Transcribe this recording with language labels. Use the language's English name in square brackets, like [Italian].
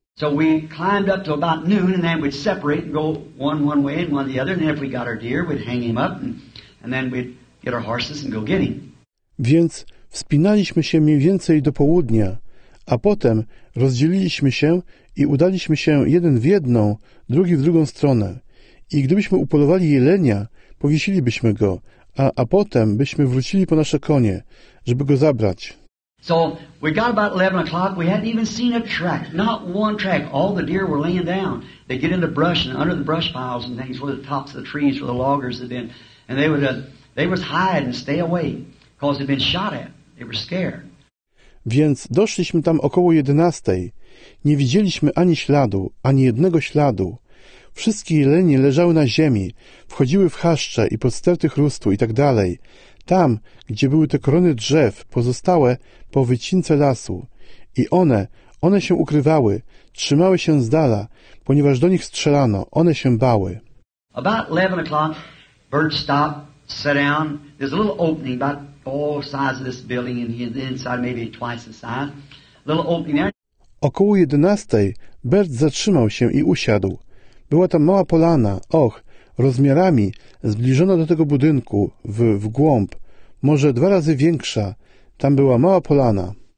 [English] So we climbed up to about noon and then we'd separate and go one way and one the other. And then if we got our deer, we'd hang him up and then we'd get our horses and go get him. [Polish] Więc wspinaliśmy się mniej więcej do południa, a potem rozdzieliliśmy się i udaliśmy się jeden w jedną, drugi w drugą stronę. I gdybyśmy upolowali jelenia, powiesilibyśmy go, a potem byśmy wrócili po nasze konie, żeby go zabrać. [English] So we got about 11 o'clock, we hadn't even seen a track, not one track. All the deer were laying down. They'd get in the brush and under the brush piles and things where the tops of the trees where the loggers had been. And they would hide and stay away because they'd been shot at. They were scared. [Polish] Więc doszliśmy tam około 11. Nie widzieliśmy ani śladu, ani jednego śladu. Wszystkie jelenie leżały na ziemi, wchodziły w chaszcze i pod sterty chrustu i tak dalej. Tam, gdzie były te korony drzew, pozostałe po wycince lasu. I one się ukrywały, trzymały się z dala, ponieważ do nich strzelano, one się bały. [English] About 11 o'clock, Bert stopped, sat down. There's a little opening about all sides of this building and the inside maybe twice the size. A little opening there. [Polish] Około 11:00 Bert zatrzymał się i usiadł. Była tam mała polana, rozmiarami zbliżona do tego budynku, w głąb, może dwa razy większa. Tam była mała polana.